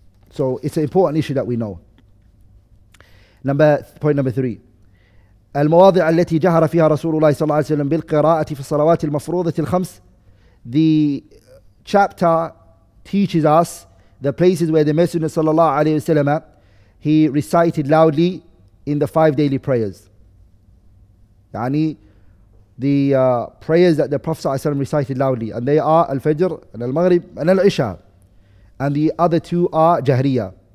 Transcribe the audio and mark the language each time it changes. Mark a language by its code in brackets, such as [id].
[en] So it's an important issue that we know. Point number three. [ar] المواضع التي جهر فيها رسول الله صلى الله عليه وسلم بالقراءة في الصلوات المفروضة الخمس. [en] The chapter teaches us the places where the Messenger صلى الله عليه وسلم he recited loudly in the five daily prayers. يعني the prayers that the Prophet صلى الله عليه وسلم recited loudly, and they are الفجر and المغرب and العشاء, and the other two are جهرية.